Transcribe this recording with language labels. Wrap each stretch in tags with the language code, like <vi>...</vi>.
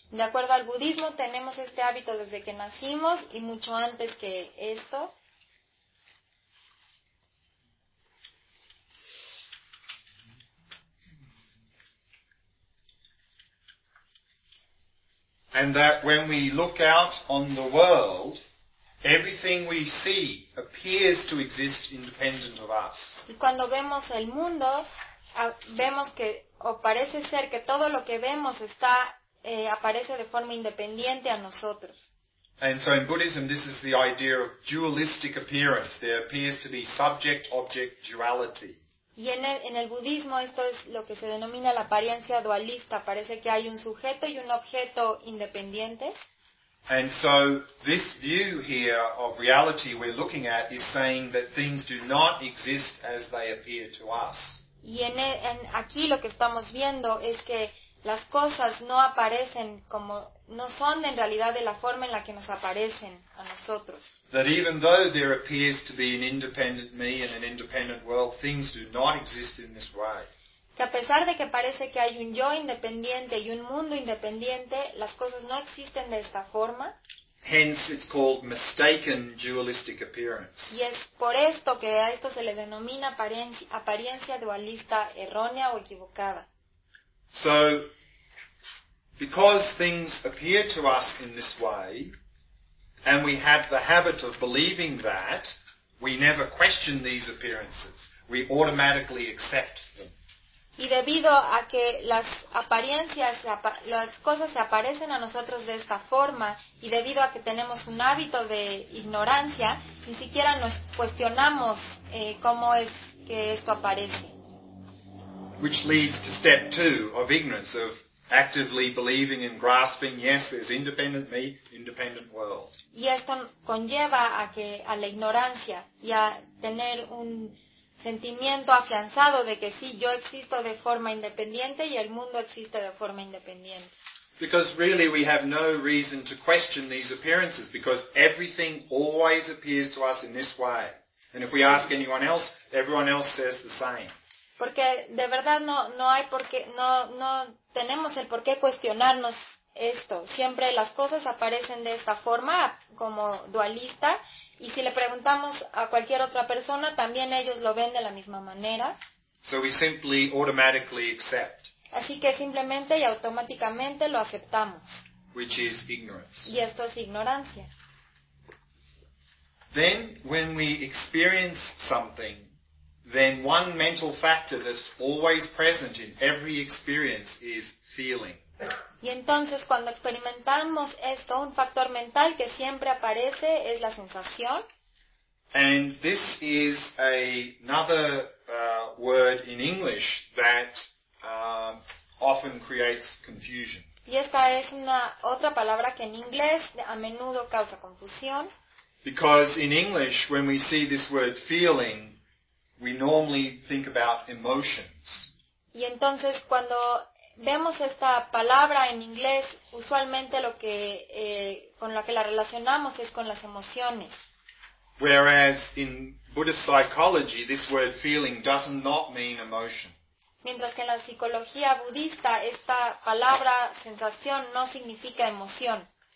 <es>De acuerdo al budismo, tenemos este hábito desde que nacimos y mucho antes que esto.</es> <en>And that when we look out on the world, Everything we see appears to exist independent of us.</en> <es>Y cuando vemos el mundo, vemos que, o parece ser que todo lo que vemos está, aparece de forma independiente a nosotros.</es> <en>And so in Buddhism, this is the idea of dualistic appearance. There appears to be subject-object duality.</en> <es>Y en el budismo esto es lo que se denomina la apariencia dualista. Parece que hay un sujeto y un objeto independientes.</es> <en>And so this view here of reality we're looking at is saying that things do not exist as they appear to us.</en> <es>Y en aquí lo que estamos viendo es que las cosas no aparecen como, no son en realidad de la forma en la que nos aparecen a nosotros.</es> <en>That even though there appears to be an independent me and an independent world, things do not exist in this way.</en> <es>Que a pesar de que parece que hay un yo independiente y un mundo independiente, las cosas no existen de esta forma.</es> <en>Hence it's called mistaken dualistic appearance.</en> <es>Y es por esto que a esto se le denomina apariencia dualista errónea o equivocada.</es> <en>So, because things appear to us in this way, and we have the habit of believing that, we never question these appearances. We automatically accept them.</en> <es>Y debido a que las apariencias, las cosas se aparecen a nosotros de esta forma, y debido a que tenemos un hábito de ignorancia, ni siquiera nos cuestionamos cómo es que esto aparece.</es> <en>Which leads to step two of ignorance, of actively believing and grasping, yes, there's independent me, independent world.</en> <es>Y esto conlleva a que a la ignorancia y a tener un sentimiento afianzado de que sí, yo existo de forma independiente y el mundo existe de forma independiente.</es> <en>Because really we have no reason to question these appearances because everything always appears to us in this way. And if we ask anyone else, everyone else says the same.</en> <es>Porque de verdad no tenemos el por qué cuestionarnos esto. Siempre las cosas aparecen de esta forma, como dualista, y si le preguntamos a cualquier otra persona, también ellos lo ven de la misma manera.</es> <en>So we simply automatically accept.</en> <es>Así que simplemente y automáticamente lo aceptamos.</es> <en>Which is ignorance.</en> <es>Y esto es ignorancia.</es> <en>Then when we experience something, then one mental factor that's always present in every experience is feeling.</en> <es>Y entonces cuando experimentamos esto, un factor mental que siempre aparece es la sensación.</es> <en>And this is another word in English that often creates confusion.</en> <es>Y esta es una otra palabra que en inglés a menudo causa confusión.</es> <en>Because in English, when we see this word feeling, we normally think about emotions.</en> <es>Y entonces cuando vemos esta palabra en inglés, usualmente lo que con lo que la relacionamos es con las emociones.</es> <en>Whereas in Buddhist psychology, this word feeling does not mean emotion.</en> <es>Mientras que en la psicología budista esta palabra sensación no significa emoción.</es>